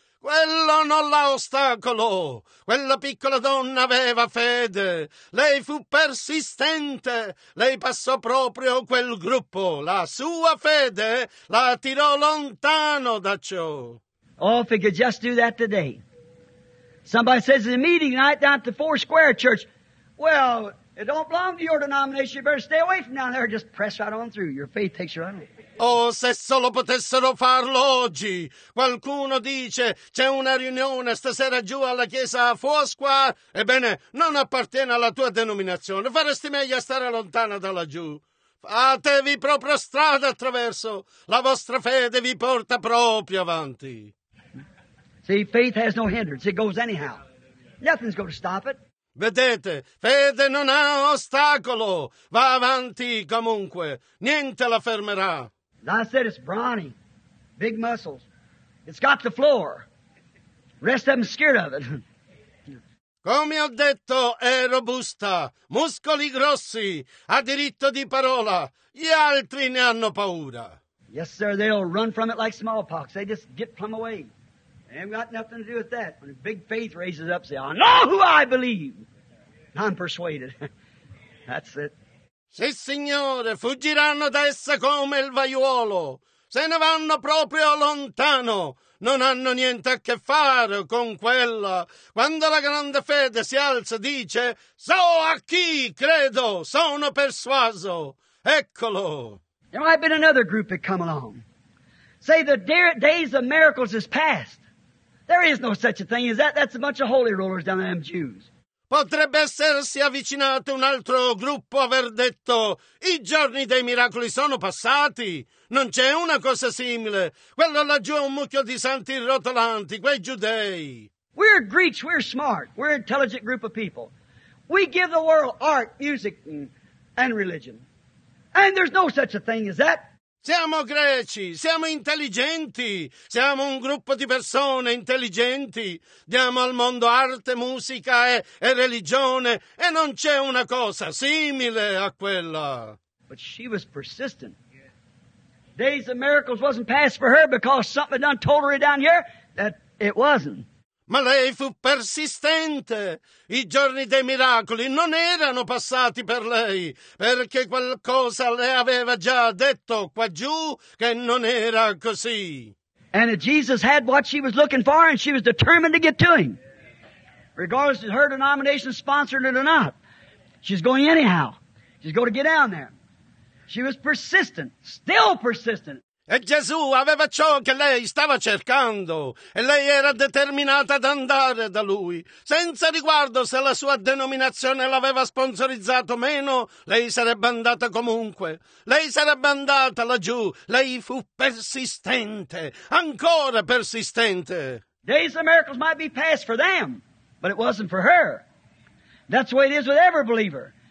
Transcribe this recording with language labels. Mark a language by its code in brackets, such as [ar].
[it] Quello non l'ha ostacolo. Quella piccola donna aveva fede. Lei fu persistente. Lei passò proprio quel gruppo. La sua fede la tirò lontano da ciò. [en] Oh, if we could just do that today. Somebody says there's a meeting tonight down at the Four Square Church. Well, it don't belong to your denomination. You better stay away from down there. Just press right on through. Your faith takes you right on. [it] Oh, se solo potessero farlo oggi! Qualcuno dice, c'è una riunione stasera giù alla chiesa a Fosqua. Ebbene, non appartiene alla tua denominazione. Faresti meglio stare lontana da laggiù. Fatevi proprio strada attraverso. La vostra fede vi porta proprio avanti. [en] See, faith has no hindrance. It goes anyhow. Nothing's going to stop it. [it] Vedete, fede non ha ostacolo. Va avanti comunque. Niente la fermerà. [en] I said it's brawny, big muscles. It's got the floor. Rest of them scared of it. [it] Come ho detto, è robusta, muscoli grossi, ha diritto di parola, gli altri ne hanno paura. [en] Yes, sir, they'll run from it like smallpox. They just get plumb away. They ain't got nothing to do with that. When a big faith raises up, say, I know who I believe. I'm persuaded. That's it. [it] Sì, signore, fuggiranno da essa come il vaiuolo. Se ne vanno proprio lontano. Non hanno niente a che fare con quella. Quando la grande fede si alza, dice, so a chi credo, sono persuaso. Eccolo. [en] There might have been another group that come along. Say, the days of miracles is past. There is no such a thing as that. That's a bunch of holy rollers down there, them Jews. [it] Potrebbe essersi avvicinato un altro gruppo aver detto «I giorni dei miracoli sono passati, non c'è una cosa simile, quello laggiù è un mucchio di santi rotolanti, quei giudei!» [en] We're Greeks, we're smart, we're an intelligent group of people. We give the world art, music and religion. And there's no such a thing as that. [it] Siamo greci, siamo intelligenti, siamo un gruppo di persone intelligenti. Diamo al mondo arte, musica e religione e non c'è una cosa simile a quella. [en] But she was persistent. Days of miracles wasn't passed for her because something done told her down here that it wasn't. [it] Ma lei fu persistente. I giorni dei miracoli non erano passati per lei, perché qualcosa le aveva già detto quaggiù che non era così. [en] And Jesus had what she was looking for, and she was determined to get to him. Regardless of her denomination sponsored it or not, she's going anyhow. She's going to get down there. She was persistent, still persistent. [it] E Gesù aveva ciò che lei stava cercando, e lei era determinata ad andare da Lui. Senza riguardo se la sua denominazione l'aveva sponsorizzato o meno, lei sarebbe andata comunque. Lei sarebbe andata laggiù, lei fu persistente, ancora persistente. [en] Days of miracles might be passed for them, but it wasn't for her. That's the way it is with every believer.